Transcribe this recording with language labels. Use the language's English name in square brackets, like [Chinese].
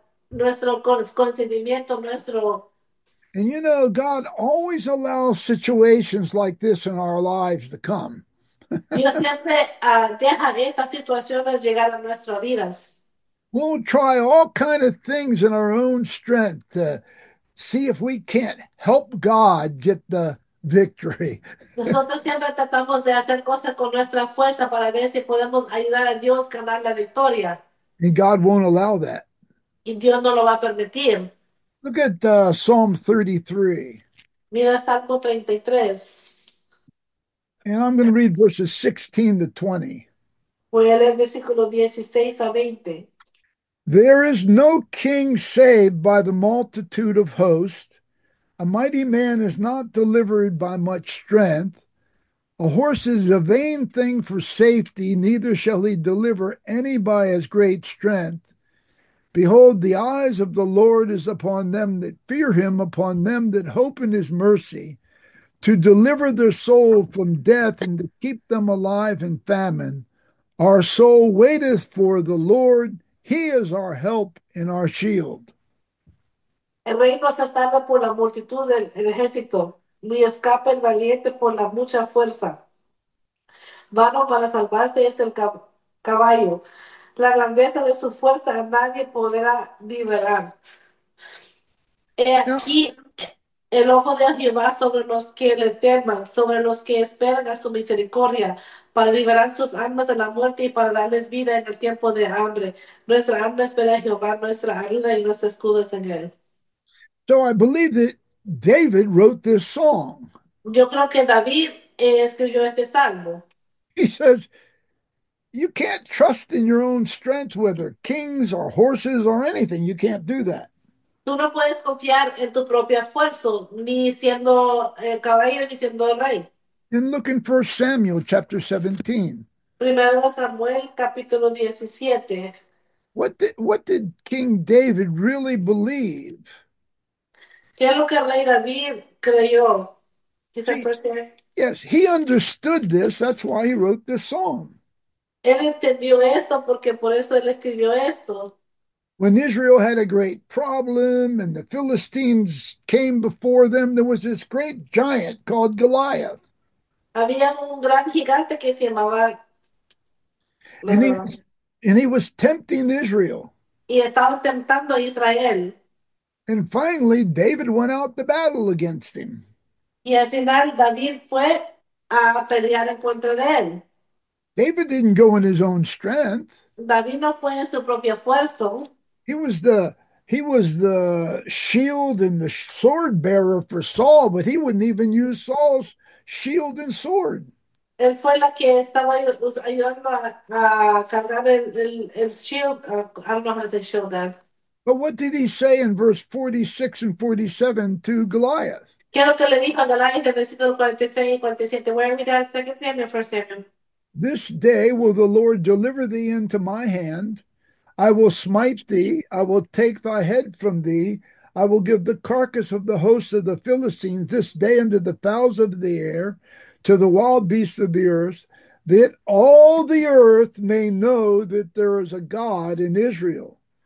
[Spanish] Nuestro consentimiento, nuestro. [English] And you know, God always allows situations like this in our lives to come. [Spanish] Dios siempre deja estas situaciones llegar a nuestras vidas. [English] We'll try all kinds of things in our own strength to see if we can't help God get the victory. [Spanish] Nosotros siempre tratamos de hacer cosas con nuestra fuerza para ver si podemos ayudar a Dios a ganar la victoria. [English] And God won't allow that. [Spanish] Y Dios no lo va a permitir. [English] Look at Psalm 33. [Spanish] Mira Salmo 33. [English] And I'm going to read verses 16 to 20. [Spanish] Voy a leer versículo 16 a 20. [English] There is no king saved by the multitude of hosts. A mighty man is not delivered by much strength. A horse is a vain thing for safety, neither shall he deliver any by his great strength. Behold, the eyes of the Lord is upon them that fear him, upon them that hope in his mercy, to deliver their soul from death and to keep them alive in famine. Our soul waiteth for the Lord. He is our help and our shield. [Spanish] El rey no se salva por la multitud del ejército, ni escapa el valiente por la mucha fuerza. Vano para salvarse es el caballo. La grandeza de su fuerza a nadie podrá liberar. He aquí el ojo de Jehová sobre los que le teman, sobre los que esperan a su misericordia, para liberar sus almas de la muerte y para darles vida en el tiempo de hambre. Nuestra alma espera a Jehová, nuestra ayuda y nuestro escudo es en él. [English] So I believe that David wrote this song. [Spanish] Yo creo que David escribió este salmo. [English] He says, you can't trust in your own strength, whether kings or horses or anything. You can't do that. [Spanish] Tú no puedes confiar en tu propio esfuerzo, ni siendo caballo, ni siendo rey. [English] And look in 1 Samuel chapter 17. [Spanish] Primero Samuel, capítulo 17. [English] What did King David really believe? [Spanish] ¿Qué es lo que el rey David creyó? [English] See, [Spanish] Él [English] yes, he understood this. That's why he wrote this psalm. [Spanish] entendió esto porque por eso él escribió esto. [English] When Israel had a great problem and the Philistines came before them, there was this great giant called Goliath. [Spanish] Había un gran gigante que se llamaba, [English] And he [Spanish] ¿verdad? [English] was, and he was tempting Israel. [Spanish] Y estaba tentando a Israel. [English] And finally, David went out to battle against him. [Spanish] Y al final David fue a pelear en contra de él. [English] David didn't go in his own strength. [Spanish] David no fue en su propio esfuerzo. [English] He was the shield and the sword bearer for Saul, but he wouldn't even use Saul's shield and sword. [Spanish] Él fue la que estaba ayudando a cargar el shield, armas de shield. [English] But what did he say in verse 46 and 47 to Goliath? [Spanish] ¿Qué es lo que le dijo a Goliat en versículo 46 y 47? Voy a mirar 2 Samuel, 1 Samuel. [English] This day will the Lord deliver thee into my hand. I will smite thee. I will take thy head from thee. I will give the carcass of the host of the Philistines this day into the fowls of the air, to the wild beasts of the earth, that all the earth may know that there is a God in Israel.